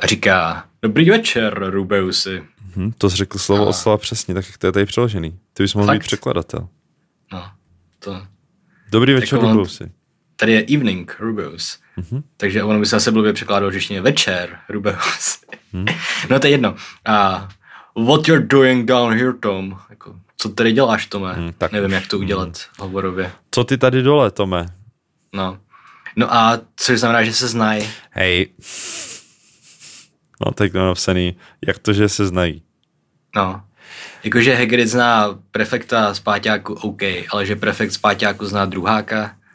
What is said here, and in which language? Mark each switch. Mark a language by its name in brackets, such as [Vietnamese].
[Czech] A říká, dobrý večer, Rubeusy. To jsi řekl slovo oslava přesně, tak jak to je tady přeložený. Ty bys mohl být překladatel. No, to... Dobrý večer, tak Rubeusy. Tady je evening, Rubeus. Takže ono by se asi blbě překládalo, že je večer, Rubeusy. No to je jedno. [English] What you're doing down here, Tom? [Czech] Jako... Co tady děláš, Tome? Tak. Nevím, jak to udělat hovorově. Co ty tady dole, Tome? No. No a co znamená, že se znají? Hej. No, tak to je napsaný. Jak to, že se znají? No. Jakože Hagrid zná prefekta z páťáku, OK, ale že prefekt z páťáku zná druháka?